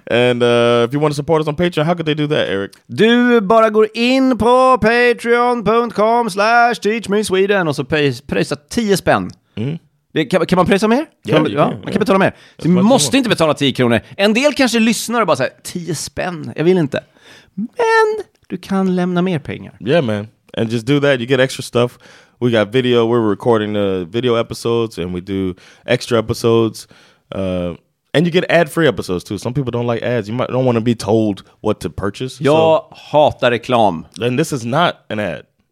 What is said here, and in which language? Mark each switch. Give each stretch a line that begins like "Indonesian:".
English: And if you want to support us on Patreon, how could they do that, Eric?
Swedish: Du bara går in på patreon.com/teachmesweden och så prisa 10 spänn. Kan man prisa mer? Man kan betala mer. Du måste inte betala 10 kronor. En del kanske lyssnar och bara säger, 10 spänn, jag vill inte. Men du kan lämna mer pengar.
English: Yeah, man. And just do that, you get extra stuff. We got video, we're recording the video episodes, and we do extra episodes. And you get ad-free episodes too. Some people don't like ads. You might don't want to be told what to purchase.
Swedish: Jag hatar reklam.
English: Then this is not an ad.